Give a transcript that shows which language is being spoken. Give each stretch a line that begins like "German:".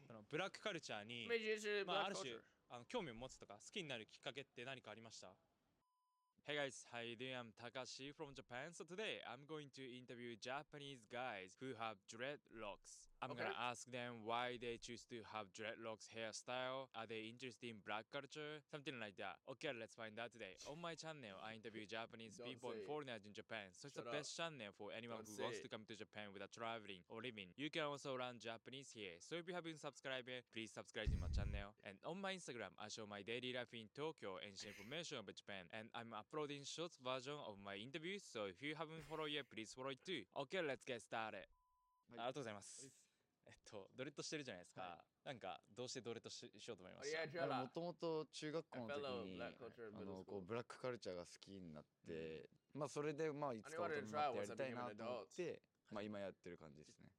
Japanese: ブラックカルチャーに、まあ、ある種あの興味を持つとか好きになるきっかけって何かありました？
English: Hey guys, how you doing? I'm Takashi from Japan. So today I'm going to interview Japanese guys who have dreadlocks. I'm gonna ask them why they choose to have dreadlocks hairstyle. Are they interested in black culture? Something like that. Okay, let's find out today. On my channel, I interview Japanese people and foreigners in Japan. So it's the best channel for anyone who wants to come to Japan without traveling or living. You can also learn Japanese here. So if you haven't subscribed, please subscribe to my channel. And on my Instagram, I show my daily life in Tokyo and share information about Japan. And I'm uploading short version of my interview. So if you haven't followed yet, please follow it too. Okay, let's get started.
Japanese: はい、ありがとうございます。ドレッドしてるじゃないですか。はい、なんかどうしてドレッド しようと思いました。もともと中学校の時にあのこうブラックカルチャーが好きになって、うん、まあそれでまあいつか大人になってやりたいなと思って、まあ今やってる感じですね。